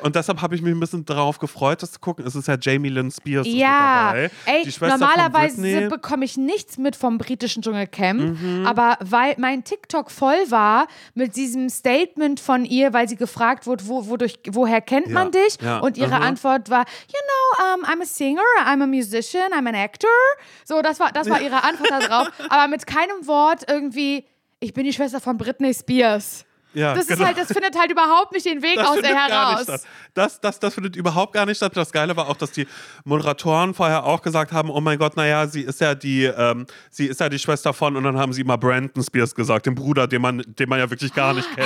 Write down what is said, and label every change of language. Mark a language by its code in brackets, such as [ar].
[de] Und deshalb habe ich mich ein bisschen darauf gefreut, das zu gucken. Es ist ja Jamie Lynn Spears dabei. Ja, ey, normalerweise bekomme ich nichts mit vom britischen Dschungelcamp. Mhm. Aber weil mein TikTok voll war mit diesem Statement von ihr, weil sie gefragt wurde, woher kennt man dich? Ja. Und ihre Antwort war, [en] you know, I'm a singer, I'm a musician, I'm an actor. [de] So, das war ihre Antwort darauf. Aber mit keinem Wort irgendwie, ich bin die Schwester von Britney Spears. Ja, das ist halt, das findet halt überhaupt nicht den Weg aus ihr heraus. Das findet überhaupt gar nicht statt. Das Geile war auch, dass die Moderatoren vorher auch gesagt haben, oh mein Gott, naja, sie ist ja die Schwester von, und dann haben sie immer Brandon Spears gesagt, den Bruder, den man ja wirklich gar nicht kennt.